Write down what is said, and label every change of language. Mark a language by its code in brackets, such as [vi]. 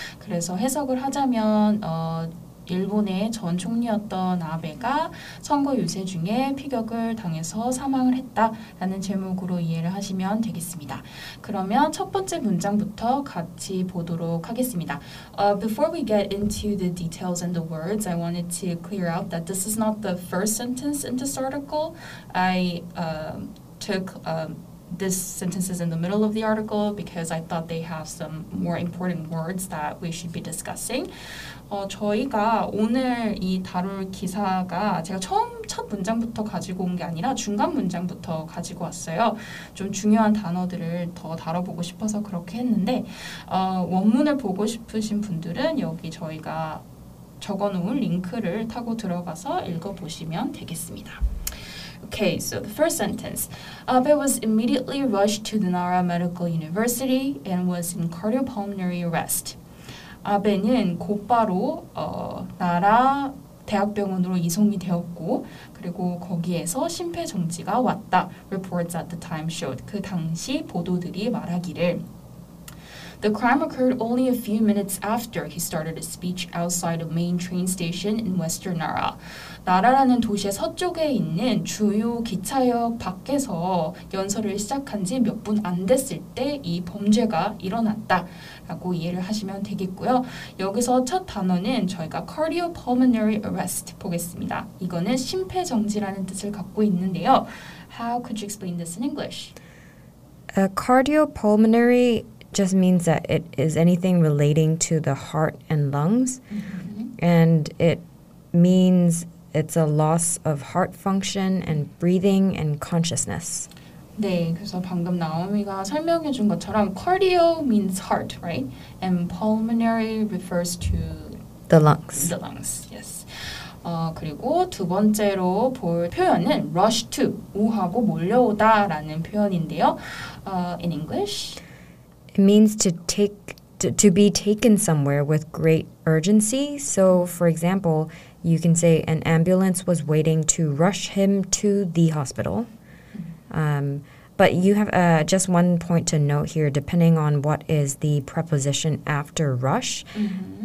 [ko] 그래서 해석을 하자면 일본의 전 총리였던 아베가 선거 유세 중에 피격을 당해서 사망을 했다라는 제목으로 이해를 하시면 되겠습니다. 그러면 첫 번째 문장부터 같이 보도록 하겠습니다. [en] Before we get into the details and the words, I wanted to clear out that this is not the first sentence in this article. I took this sentence is in the middle of the article because I thought they have some more important words that we should be discussing. [ko] 저희가 오늘 이 다룰 기사가 제가 처음 첫 문장부터 가지고 온 게 아니라 중간 문장부터 가지고 왔어요. 좀 중요한 단어들을 더 다뤄보고 싶어서 그렇게 했는데 원문을 보고 싶으신 분들은 여기 저희가 적어놓은 링크를 타고 들어가서 읽어보시면 되겠습니다. [en] Okay, so the first sentence. Abe was immediately rushed to the Nara Medical University and was in cardiopulmonary arrest. [ko] 아베는 곧바로 나라 대학병원으로 이송이 되었고 그리고 거기에서 심폐정지가 왔다. [en] Reports at the time showed. [ko] 그 당시 보도들이 말하기를 [en] The crime occurred only a few minutes after he started a speech outside a main train station in Western Nara. [ko] 나라라는 도시의 서쪽에 있는 주요 기차역 밖에서 연설을 시작한 지 몇 분 안 됐을 때 이 범죄가 일어났다. 라고 이해를 하시면 되겠고요. 여기서 첫 단어는 저희가 cardiopulmonary arrest 보겠습니다. 이거는 심폐정지라는 뜻을 갖고 있는데요. [en] How could you explain this in English? Cardiopulmonary just means that it is anything relating to the heart and lungs. Mm-hmm. And it means it's a loss of heart function and breathing and consciousness. [ko] 네, 그래서 방금 나오미가 설명해 준 것처럼 [en] cardio means heart, right? And pulmonary refers to the lungs. The lungs, yes. [ko] 그리고 두 번째로 볼 표현은 rush to, 우하고 몰려오다라는 표현인데요. [en] In English? It means to be taken somewhere with great urgency. So, for example, you can say an ambulance was waiting to rush him to the hospital. But you have just one point to note here, depending on what is the preposition after rush, mm-hmm.